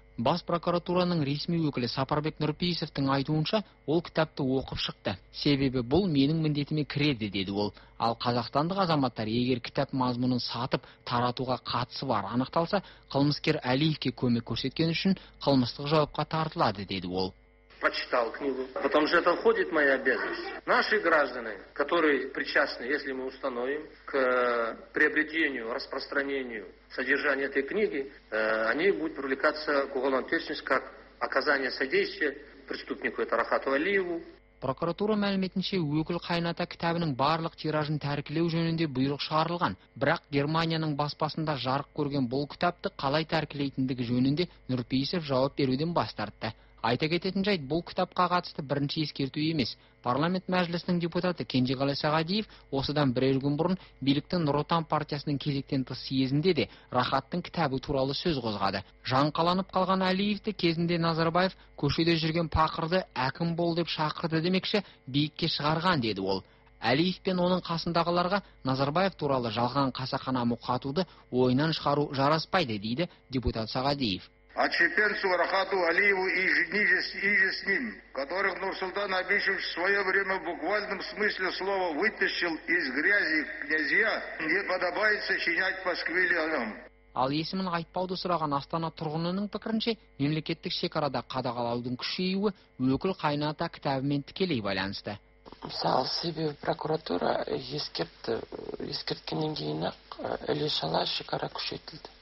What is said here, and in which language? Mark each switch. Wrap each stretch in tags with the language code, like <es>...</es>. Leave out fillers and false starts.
<kk>Бас прокуратураның ресми өкілі Сапарбек Нұрпейісовтің айтуынша, ол кітапты оқып шықты. Себебі бұл менің міндетіме кіреді деді ол. Ал қазақстандық азаматтар егер кітап мазмұнын сатып, таратуға қатысы бар анықталса, қылмыскер Әлиевке көмек көрсеткен үшін қылмыстық жауапқа тартылады деді ол.</kk> <ru>Прочитал книгу, потом же это входит в мою обязанность. Наши граждане, которые причастны, если мы установим, к приобретению, распространению содержания этой книги, они будут привлекаться к уголовной ответственности как оказание содействия преступнику, это Рахату Әлиеву.</ru> <kk>Прокуратура мәліметінше, өкіл қайната кітабының барлық тиражын тәркілеу жөнінде бұйрық шығарылған, бірақ Германияның баспасында жарық көрген бұл кітапты қалай тәркілейтіндігі жөнінде Нұрпейісов жауап беруден бас тартты. Айта кететін жайт, бұл кітапқа қатысты бірінші ескерту емес. Парламент мәжілісінің депутаты Кенжеғали Сағадиев осыдан бірер күн бұрын биліктің Нұр Отан партиясының кезектен тыс съезінде де Рахаттың кітабы туралы сөз қозғады. Жан қаланып қалған Әлиевті кезінде Назарбаев көшеде жүрген пақырды әкім бол деп шақырды демекші, биікке шығарған деді ол. Әлиев пен оның қасындағыларға Назарбаев туралы жалған қасақана мұқатуды ойынан шығару жараспайды, дейді депутат Сағадиев.</kk> <ru>А теперь Сурахату Алиеву и ниже с ним, которых Нурсултан Абишевич в свое время в буквальном смысле слова вытащил из грязи князья, не подобает сочинять пасквилянам.</ru> <kk>Ал есімін айтпауды сұраған Астана тұрғынының пікірінше, мемлекеттік шекарада қадағалаудың күшеюі өкіл қайната кітабымен тікелей байланысты. Мысалы, себебі прокуратура ескерткеннен кейін іле-шала шекара күшейтілді.</kk>